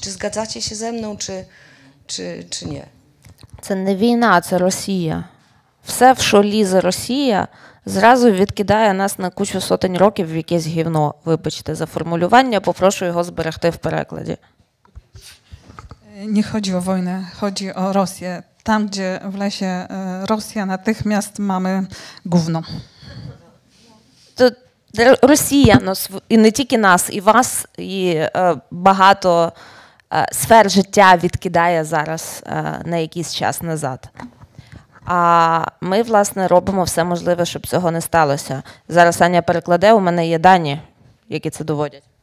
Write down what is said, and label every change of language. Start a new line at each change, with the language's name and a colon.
Polish: Czy zgadzacie się ze mną, czy nie?
Ukrainian: Це не війна, це Росія. Все, в що лізе Росія, зразу відкидає нас на кучу сотень років в якесь гівно. Вибачте за формулювання, попрошу його зберегти в перекладі.
Polish: Nie chodzi o wojnę, chodzi o Rosję. Tam, gdzie w lesie Rosja, natychmiast mamy gówno. To Rosja nas, i nie tylko nas, i was, i
Ukrainian: багато сфер життя відкидає зараз на якийсь час назад. А ми, власне, робимо все можливе, щоб цього не сталося. Зараз Аня перекладе, у мене є дані, які це доводять.